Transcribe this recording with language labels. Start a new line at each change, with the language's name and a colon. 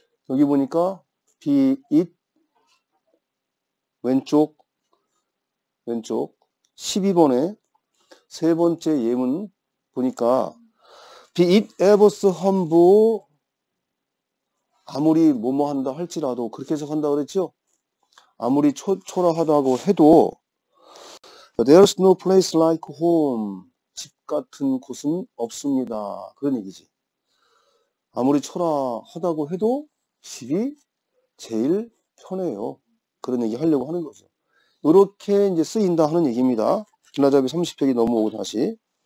Korean: 여기 보니까 be it 왼쪽 12번의 세 번째 예문 보니까
English: be it ever so humble,
Korean: 아무리 뭐뭐 한다 할지라도, 그렇게 해석한다 그랬죠? 아무리 초라하다고 해도,
English: there's no place like home.
Korean: 집 같은 곳은 없습니다. 그런 얘기지. 아무리 초라하다고 해도 집이 제일 편해요. 그런 얘기 하려고 하는 거죠. 이렇게 이제 쓰인다 하는 얘기입니다. 길라잡이 30페이지 넘어오고 다시.